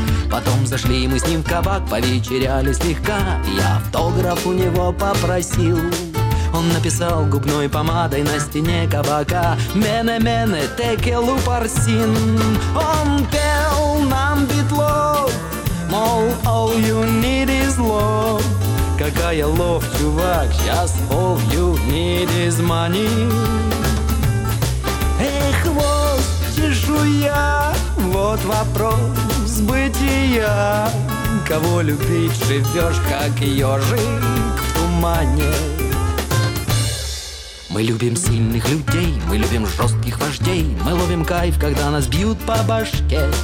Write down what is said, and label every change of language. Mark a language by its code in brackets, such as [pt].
[ru] Потом зашли мы с ним в кабак, повечеряли слегка, и автограф у него попросил. Он написал губной помадой на стене кабака: «Мене-мене, текелу парсин». Он пел нам битлов, мол, [en] all you need is love. [ru] Какая лов, чувак, сейчас [en] all you need is money. [ru] Эх, вот чешуя, вот вопрос бытия. Кого любить, живешь как ежик в тумане. Мы любим сильных людей, мы любим жестких вождей, мы ловим кайф, когда нас бьют по башке.